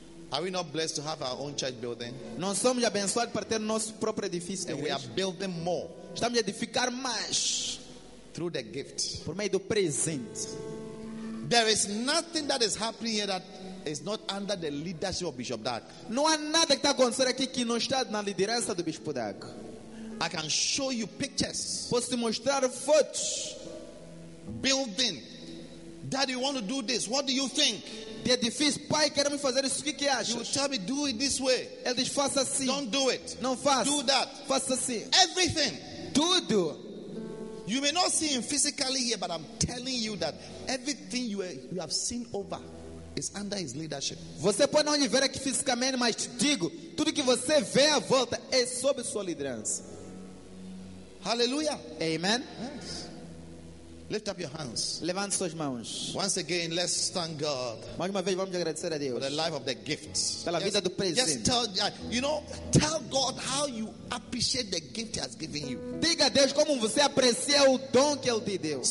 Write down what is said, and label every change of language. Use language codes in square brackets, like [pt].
[en] Are we not blessed to have our own church building? [pt] Nós somos abençoados para ter nosso próprio edifício. [en] And we are building more. [pt] Estamos a edificar mais. [en] Through the gift. [pt] Por meio do presente. [en] There is nothing that is happening here that is not under the leadership of Bishop Dag. [pt] Não há nada que está acontecendo aqui que não está na liderança do Bispo Dag. [en] I can show you pictures. [pt] Posso te mostrar fotos. [en] Building. Daddy, you want to do this? What do you think? The edifice, [pt] pai, quero me fazer isso. O que acha? [en] You tell me, do it this way. [pt] Ele diz, faça assim. [en] Don't do it. [pt] Não faça. [en] Do that. [pt] Faça assim. [en] Everything. [pt] Tudo. [en] You may not see him physically here, but I'm telling you that everything you have seen over is under his leadership. [pt] Você pode não ver aqui fisicamente, mas te digo, tudo que você vê à volta é sob sua liderança. [en] Hallelujah. Amen. Yes. Lift up your hands. [pt] Levante suas mãos. [en] Once again, let's thank God. [pt] Mais uma vez, vamos agradecer a Deus. [en] For the life of the gifts. [pt] Pela vida do presente. [en] Just tell, you know, tell God how you appreciate the gift He has given you. [pt] Diga a Deus como você aprecia o dom que Ele te deu.